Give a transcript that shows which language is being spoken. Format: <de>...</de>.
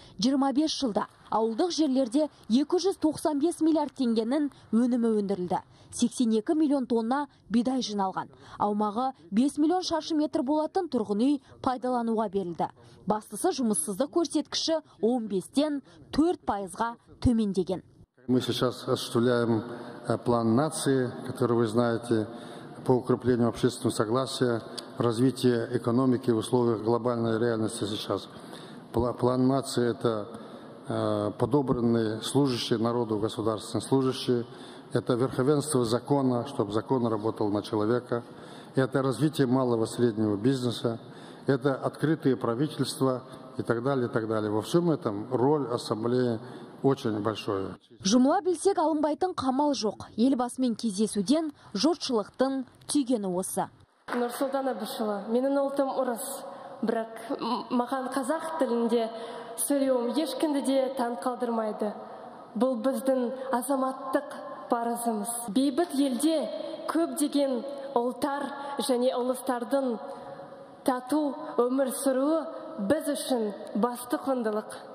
<kk>25 жылда ауылдық жерлерде 295 миллиард теңгенің өнімі өндірілді. 82 миллион тонна бидай жиналған. Аумағы 5 миллион шаршы метр болатын тұрғын үй пайдалануға берілді. Бастысы жұмыссызды көрсеткіші 15-тен 4%-ға төмендеген.</kk> <ru>Мы сейчас осуществляем план нации, который вы знаете, по укреплению общественного согласия, развитию экономики в условиях глобальной реальности сейчас. План нации – это подобранные служащие народу, государственные служащие. Это верховенство закона, чтобы закон работал на человека. Это развитие малого и среднего бизнеса. Это открытые правительства и так далее, и так далее. Во всем этом роль ассамблеи очень большая.</ru> <kk>Жұмыла білсек, алынбайтын қамал жоқ. Елбасымен кездесуден жұртшылықтың түйгені осы. Нұрсұлтан Абышұлы, менің ұлтым орыс. Бірақ маған қазақ тілінде сөйлеуім ешкінді де таң қалдырмайды. Бұл біздің азаматтық парызымыз. Бейбіт елде көп деген ұлттар және ұлыстардың тату өмір сүруі біз үшін басты құндылық.</kk>